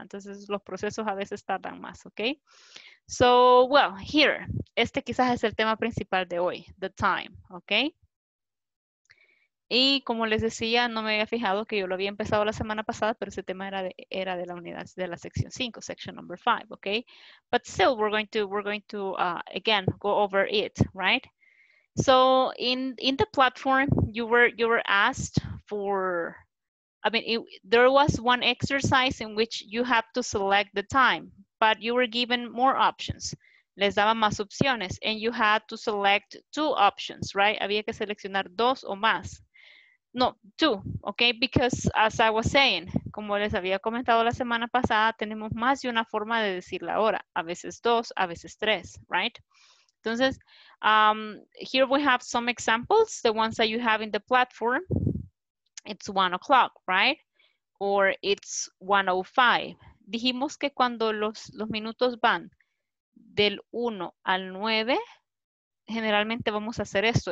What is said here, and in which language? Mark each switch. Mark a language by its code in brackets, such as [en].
[es] Entonces los procesos a veces tardan más, ¿okay? [en] So well, here, [es] este quizás es el tema principal de hoy, [en] the time, [es] ¿okay? Y como les decía, no me había fijado que yo lo había empezado la semana pasada, pero ese tema era de la unidad de la sección 5, [en] section number 5, [es] ¿okay? [en] But still we're going to again go over it, right? So in the platform you were asked for, I mean, there was one exercise in which you have to select the time, but you were given more options. [es] Les daban más opciones, [en] and you had to select two options, right? [es] Había que seleccionar dos o más. No, two, okay? [en] Because as I was saying, [es] como les había comentado la semana pasada, tenemos más de una forma de decir la hora. A veces dos, a veces tres, right? [en] Entonces, here we have some examples, the ones that you have in the platform. It's 1 o'clock, right? Or it's 1:05. [es] Dijimos que cuando los minutos van del 1 al 9, generalmente vamos a hacer esto.